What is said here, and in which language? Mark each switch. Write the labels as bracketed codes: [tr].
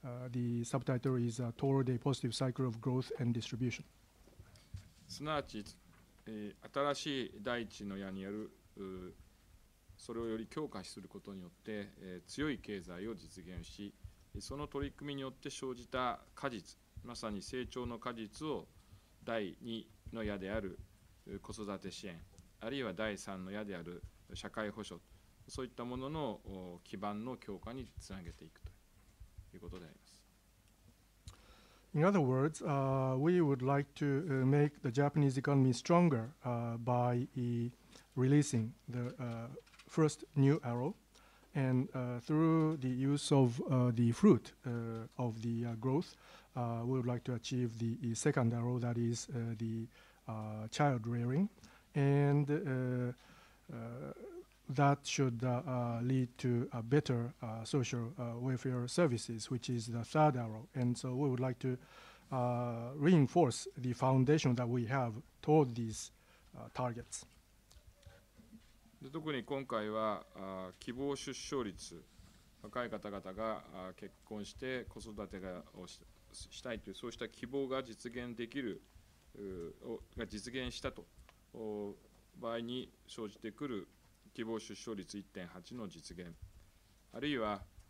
[en] The subtitle is toward a positive cycle of growth and distribution. [ja] すなわち、新しい大地の矢による、それをより強化することによって、強い経済を実現し、その取り組みによって生じた果実、まさに成長の果実を第二の矢である子育て支援、あるいは第三の矢である社会保障、そういったものの基盤の強化につなげていくということであります。 [en] In other words, we would like to make the Japanese economy stronger by releasing the first new arrow and through the use of the fruit of the growth, we would like to achieve the second arrow, that is the child rearing. And that should lead to a better social welfare services, which is the third arrow. And so we would like to reinforce the foundation that we have toward these targets. [ja] 特に今回は希望出生率、若い方々が結婚して子育てをしたいという、そうした希望が実現できる、が実現したと場合に生じてくる希望出生率 1.8 の実現、あるいは